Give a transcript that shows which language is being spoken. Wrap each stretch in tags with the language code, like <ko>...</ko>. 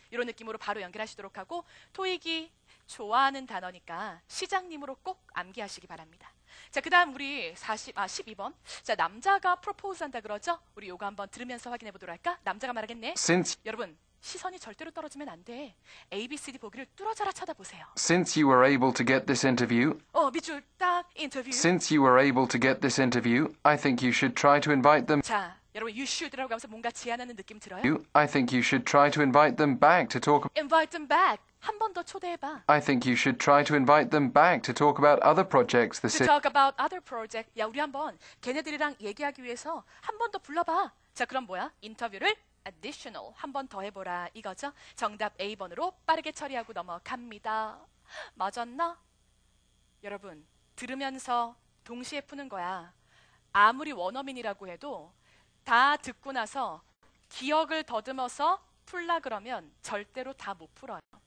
<ko>이런 느낌으로 바로 연결하시도록 하고 토익이 좋아하는 단어니까 시장님으로 꼭 암기하시기 바랍니다. 자, 그다음 우리 12번. 자, 남자가 프로포즈한다 그러죠? 우리 요거 한번 들으면서 확인해 보도록 할까? 남자가 말하겠네.</ko> <en>Since</en> <ko>여러분, 시선이 절대로 떨어지면 안 돼. ABCD 보기를 뚫어져라 쳐다보세요.</ko> <en>Since you were able to get this interview.</en> <ko>밑줄 딱 인터뷰.</ko> <en>Since you were able to get this interview, I think you should try to invite them.</en> <ko>자, 여러분,</ko> <en>you should</en> <ko>라고 하면서 뭔가 제안하는 느낌 들어요?</ko> <en>You, I think you should try to invite them back to talk. Invite them back.</en> <ko>한 번 더 초대해봐.</ko> <en>I think you should try to invite them back to talk about other projects. To talk about other projects.</en> <ko>야, 우리 한번 걔네들이랑 얘기하기 위해서 한 번 더 불러봐. 자, 그럼 뭐야? 인터뷰를 additional 한 번 더 해보라 이거죠. 정답 A번으로 빠르게 처리하고 넘어갑니다. 맞았나? 여러분, 들으면서 동시에 푸는 거야. 아무리 원어민이라고 해도 다 듣고 나서 기억을 더듬어서 풀라 그러면 절대로 다 못 풀어요.</ko>